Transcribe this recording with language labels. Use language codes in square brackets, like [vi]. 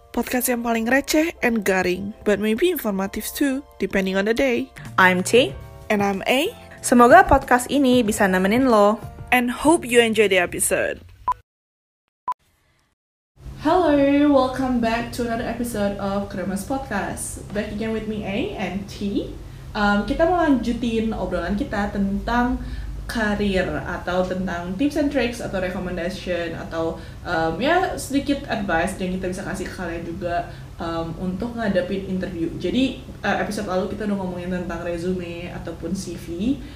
[en] Podcast [id] yang paling receh [en] and garing, but maybe informative too, depending on the day. I'm T. And I'm A. [id] Semoga podcast ini bisa nemenin lo. [en] And hope you enjoy the episode. Hello, welcome back to another episode of Kremes Podcast. Back again with me, A and T. [id] Kita mau lanjutin obrolan kita tentang karir atau tentang tips and tricks atau recommendation atau ya sedikit advice yang kita bisa kasih ke kalian juga untuk ngadepin interview. Jadi episode lalu kita udah ngomongin tentang resume ataupun CV.